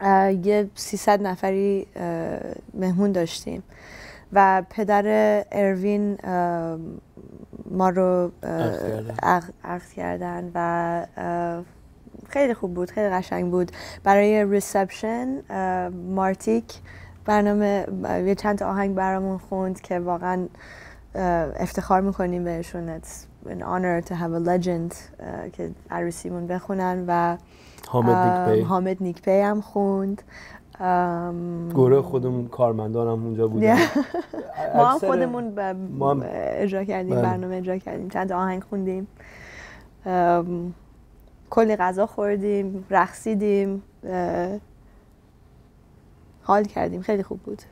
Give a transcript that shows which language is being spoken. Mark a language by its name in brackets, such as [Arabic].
[Persian] یه 300 نفری مهمون داشتیم و پدر اروین ما رو عقد کردن و خیلی خوب بود، خیلی قشنگ بود. برای ریسپشن مارتیک برنامه یه چند تا آهنگ برامون خوند که واقعا افتخار میکنیم بهشون. [English] It's an honor to have a legend [Persian] که عروسیمون بخونن. و حامد نیکپی هم خوند. گروه خودمون، کارمندانم اونجا بودن. ما هم خودمون اجرا کردیم، برنامه اجرا کردیم، چند آهنگ خوندیم، کلی غذا خوردیم، رقصیدیم، حال کردیم، خیلی خوب بود.